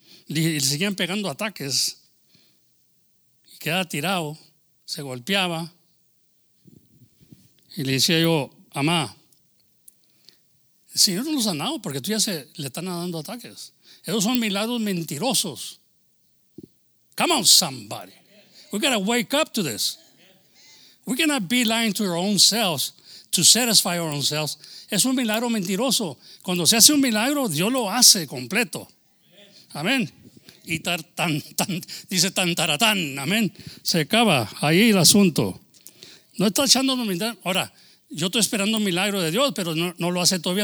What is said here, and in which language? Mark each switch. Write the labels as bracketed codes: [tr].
[es] Le seguían pegando ataques. Y quedaba tirado, se golpeaba. Y le decía yo, mamá, el Señor no lo ha sanado porque tú ya le están dando ataques. Esos son milagros mentirosos. [en] Come on, somebody. We've got to wake up to this. We cannot be lying to our own selves to satisfy our own selves. [es] Es un milagro mentiroso. Cuando se hace un milagro, Dios lo hace completo. Amén. Y dice tan taratán. Amén. Se acaba ahí el asunto. No está echando humildad. Ahora, yo estoy esperando un milagro de Dios, pero no lo hace todavía.